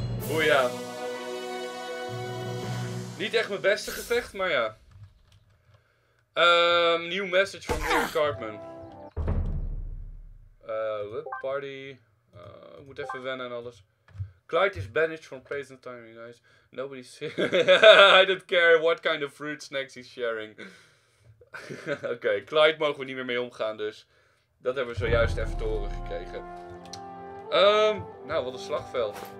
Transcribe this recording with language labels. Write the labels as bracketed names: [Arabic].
[Dutch] Oeh ja. Niet echt mijn beste gevecht, maar ja. Nieuw message van Eric Cartman. Party. Ik moet even wennen en alles. [English] Clyde is banished from present time, you guys. Nobody's here. I don't care what kind of fruit snacks he's sharing. [Dutch] Oké, Clyde mogen we niet meer mee omgaan, dus. Dat hebben we zojuist even te horen gekregen. Wat een slagveld.